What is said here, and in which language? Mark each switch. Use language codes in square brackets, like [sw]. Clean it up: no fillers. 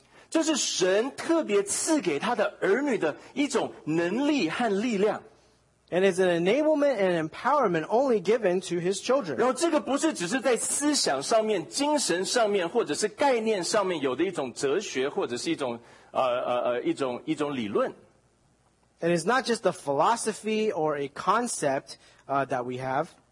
[zh] 这是神特别赐给他的儿女的一种能力和力量。 [en] And it's an enablement and empowerment only given to his children. [zh] 然后这个不是只是在思想上面、精神上面或者是概念上面有的一种哲学或者是一种理论。 [en] And it's not just a philosophy or a concept that we have.